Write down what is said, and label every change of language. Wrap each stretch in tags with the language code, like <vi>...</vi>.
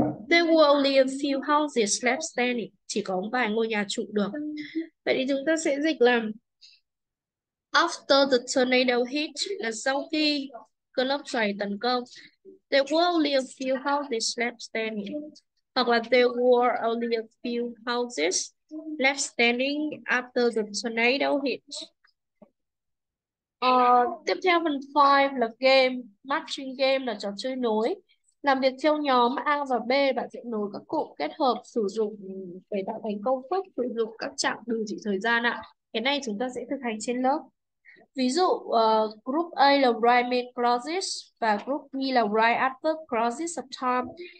<en>There were only a few houses left standing.</en> <vi>Chỉ có một vài ngôi nhà trụ được. Vậy thì chúng ta sẽ dịch là</vi> <en>After the tornado hit</en> <vi>là sau khi cơn lốc xoáy tấn công.</vi> <en>There were only a few houses left standing.</en> <vi>Hoặc là</vi> <en>There were only a few houses left standing after the tornado hit.</en> <vi>Tiếp theo phần 5 là game. Matching game là trò chơi nối. Làm việc theo nhóm A và B, bạn sẽ nối các cụm kết hợp sử dụng để tạo thành câu phức sử dụng các trạng từ chỉ thời gian ạ. Cái này chúng ta sẽ thực hành trên lớp. Ví dụ group A là</vi> <en>right main clauses</en> <vi>và group B là</vi> <en>right after clauses of time.</en>